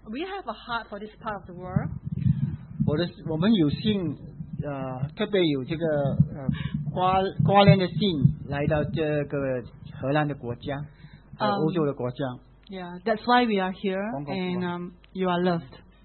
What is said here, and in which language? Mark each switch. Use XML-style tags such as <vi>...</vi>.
<en>We have a heart for this part of the world.</en> <zh>我们有幸，特别有这个挂念的心来到这个荷兰的国家，欧洲的国家。</zh> <en>Yeah, that's why we are here, and you are loved.</en>